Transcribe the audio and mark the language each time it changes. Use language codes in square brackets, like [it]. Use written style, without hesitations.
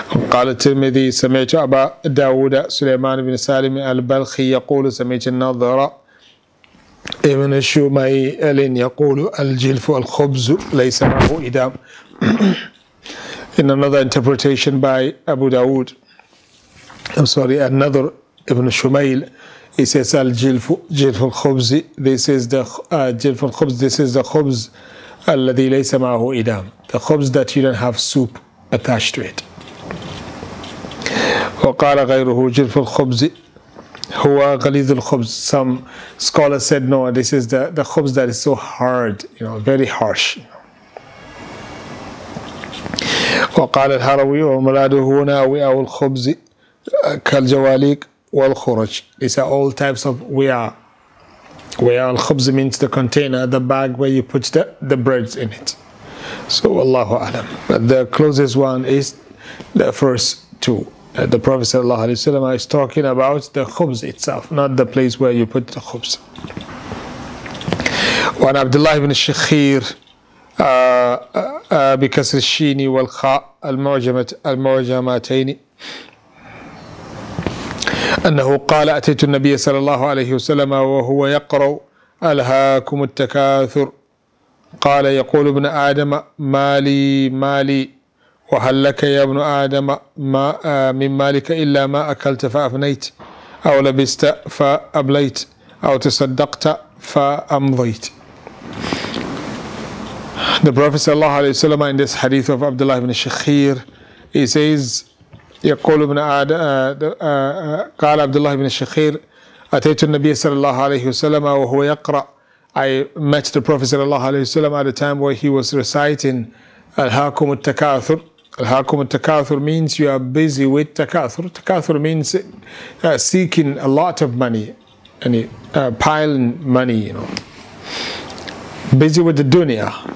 [ar] قال الترمذي سمعت أبا داود سليمان بن سالم البلخي يقول سمعت النضر ابن الشميل يقول الجلف والخبز ليس معه إدام. [en] In another interpretation by Abu Dawood, I'm sorry, another Ibn Shumayl, he says al-jilfu, jilful khubz, this is the jilful khubz, this is the khubz alladhi laysa ma'ahu idam, the khubz that you don't have soup attached to it. [ar] وقال غيره جلفل خبز هو غليظ الخبز. [en] Some scholars said no, this is the khubz that is so hard, you know, very harsh. [ar] وقال الحروي وملاده هنا وعاء الخبز كالجواليك والخرج. [en] These are all types of وعاء. [ar] وعاء الخبز [en] means the container, the bag where you put the breads in it. [ar] So والله أعلم. [en] But the closest one is the first two. The Prophet sallallahu alaihi wasallam is talking about the khubz itself, not the place where you put the khubz. [ar] وعن عبد الله بن الشخير بكسر الشين والخاء المعجمتين أنه قال أتيت النبي صلى الله عليه وسلم وهو يقرأ ألهاكم التكاثر قال يقول ابن آدم مالي مالي وهل لك يا ابن آدم ما من مالك إلا ما أكلت فأفنيت أو لبست فأبليت أو تصدقت فأمضيت. [en] The Prophet sallallahu alayhi wa sallam in this hadith of Abdullah ibn Shakhir, he says, [ar] يقول ابن آدم قال عبد الله بن الشخير أتيت النبي صلى الله عليه وسلم وهو يقرأ. [en] I met the Prophet صلى الله عليه وسلم at a time where he was reciting الهاكم التكاثر. الهاكم التكاثر means you are busy with تكاثر. تكاثر means seeking a lot of money, يعني piling money, you know, busy with the dunya.